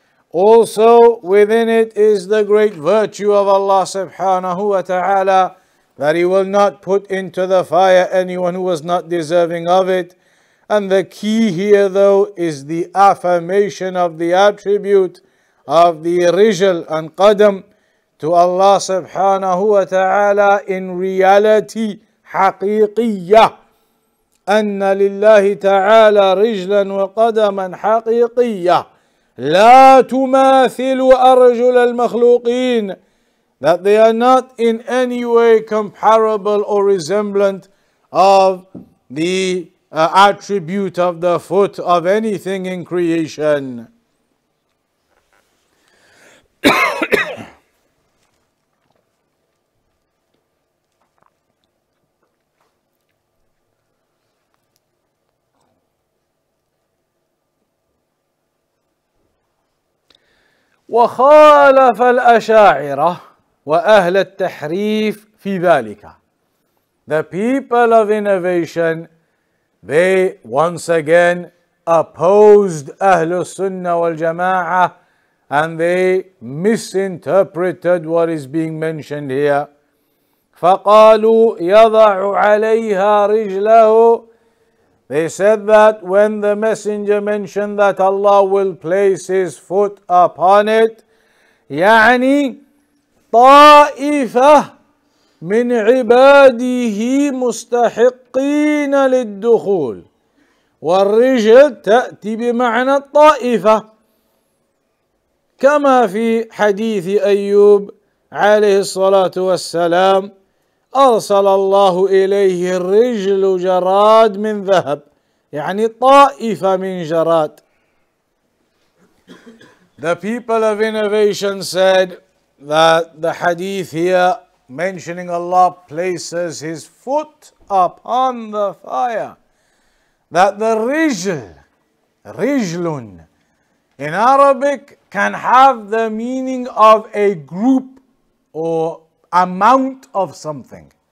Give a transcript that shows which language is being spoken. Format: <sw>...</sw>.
<en>Also within it is the great virtue of Allah subhanahu wa ta'ala, that He will not put into the fire anyone who was not deserving of it. And the key here though is the affirmation of the attribute of the rijal and qadam to Allah subhanahu wa ta'ala in reality.</en> <ar>حقيقية أن لله تعالى رجلا وقدما حقيقية لا تماثل أرجل المخلوقين.</ar> <en>That they are not in any way comparable or resemblant of the attribute of the foot of anything in creation.</en> <ar>وخالف الأشاعرة وأهل التحريف في ذلك.</ar> <en>The people of innovation, they once again opposed أهل السنة والجماعة and they misinterpreted what is being mentioned here.</en> <ar>فقالوا يضع عليها رجله.</ar> <en>They said that when the Messenger mentioned that Allah will place His foot upon it,</en> <ar>يعني طائفة من عباده مستحقين للدخول. والرجل تأتي بمعنى الطائفة كما في حديث أيوب عليه الصلاة والسلام أرسل الله إليه الرجل جراد من ذهب يعني طائفة من جراد.</ar> <en>The people of innovation said that the hadith here mentioning Allah places his foot upon the fire, that the rijl, rijlun, in Arabic can have the meaning of a group or amount of something.</en>